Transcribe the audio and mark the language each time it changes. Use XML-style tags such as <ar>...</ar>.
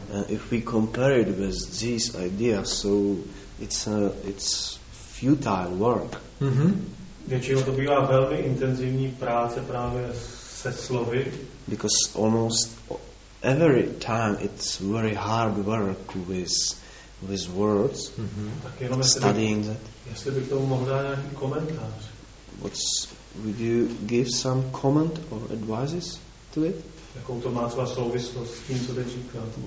<en>And if we compare it with this idea, so it's futile work. Mm-hmm.</en> <cs>Většinou to bývá velmi intenzivní práce právě s slovy.</cs> <en>Because almost every time it's very hard work with words. Mm-hmm. Studying that.</en> <cs>Jestli by k tomu mohl dát nějaký komentář.</cs> <en>What's, would you give some comment or advices to it?</en> <cs>Jakou to má třeba souvislost s tím, co teď říkám?</cs>